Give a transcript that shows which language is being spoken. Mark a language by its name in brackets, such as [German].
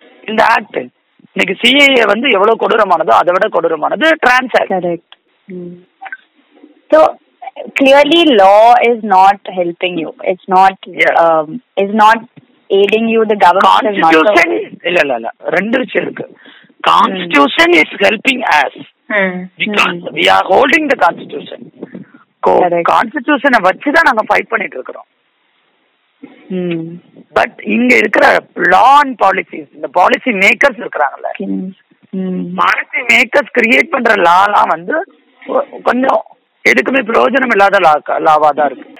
[Tamil] இந்த ஆக்ட் இன்னைக்கு சிஏஏ வந்து எவ்வளவு கொடூரமானதோ அதை விட கொடூரமானது trans act. [English] Correct, so clearly law is not helping you, it's not is not aiding you, the government is not. [Tamil] இல்ல இல்ல இல்ல, ரெண்டு விஷயம் இருக்கு. [English] Constitution is helping us because we are holding the constitution. [Tamil] Constitution வச்சு தான் நாங்க fight பண்ணிட்டு இருக்கோம். பட் இங்க இருக்கிற லா அண்ட் பாலிசிஸ், இந்த பாலிசி மேக்கர்ஸ் இருக்கிறாங்கல்ல, பாலிசி மேக்கர்ஸ் கிரியேட் பண்ற லா எல்லாம் வந்து கொஞ்சம் எதுக்குமே பிரயோஜனம் இல்லாத லாவா தான் இருக்கு.